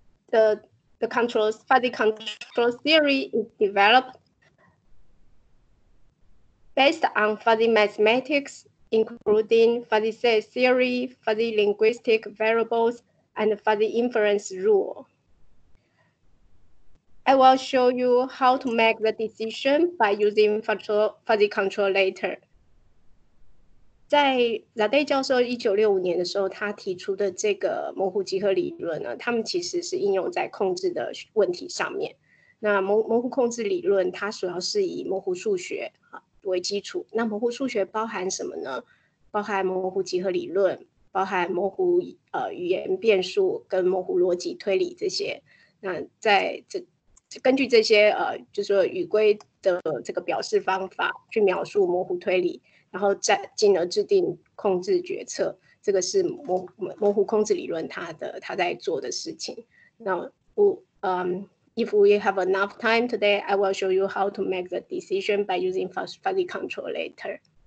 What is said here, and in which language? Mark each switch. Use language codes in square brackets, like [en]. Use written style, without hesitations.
[en] The controls, fuzzy control theory is developed based on fuzzy mathematics, including fuzzy set theory, fuzzy linguistic variables, and fuzzy inference rule. I will show you how to make the decision by using fuzzy control later. [zh] 在 Zade 教授1965年的时候，他提出的这个模糊集合理论呢，他们其实是应用在控制的问题上面。那模糊控制理论，它主要是以模糊数学为基础。那模糊数学包含什么呢？包含模糊集合理论，包含模糊语言变数跟模糊逻辑推理这些。那在这根据这些就是说语规的这个表示方法去描述模糊推理。然后再进而制定控制决策，这个是模糊控制理论他在做的事情。 [en] Now, if we have enough time today, I will show you how to make the decision by using fuzzy control later.